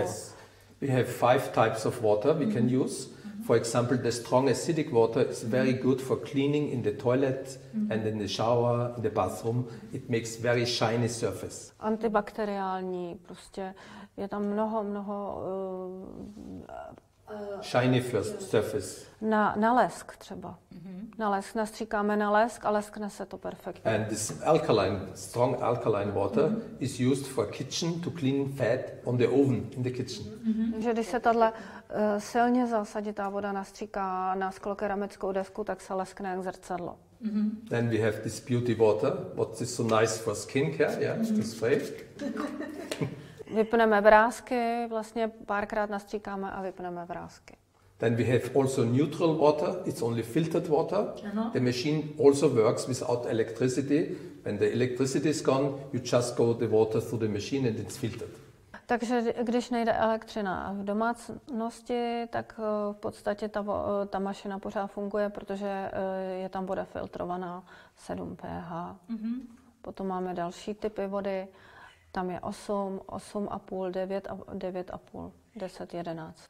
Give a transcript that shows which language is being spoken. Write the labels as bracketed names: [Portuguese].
[English] Yes, we have 5 types of water we can use. For example, the strong acidic water is very good for cleaning in the toilet and in the shower, in the bathroom. It makes very shiny surface. [Czech] Antibakteriální, prostě je tam mnoho [English] shiny first surface. [Czech] Na lesk třeba. Na lesk, nastříkáme na lesk a leskne se to perfektně. [English] And this alkaline, strong alkaline water is used for kitchen to clean fat on the oven in the kitchen. [Czech] Takže když se tato silně zásaditá voda nastříká na sklokeramickou desku, tak se leskne jak zrcadlo. [English] Then we have this beauty water, what is so nice for skin care, yeah, to spray. [Czech] Vypneme vrásky, vlastně párkrát nastříkáme a vypneme vrásky. [English] Then we have also neutral water, it's only filtered water. The machine also works without electricity. When the electricity is gone, you just go the water through the machine and it's filtered. [Czech] Takže když nejde elektřina v domácnosti, tak v podstatě ta mašina pořád funguje, protože je tam voda filtrovaná 7 pH. Potom máme další typy vody. Tam je 8, 8,5, 9,5, 10, 11.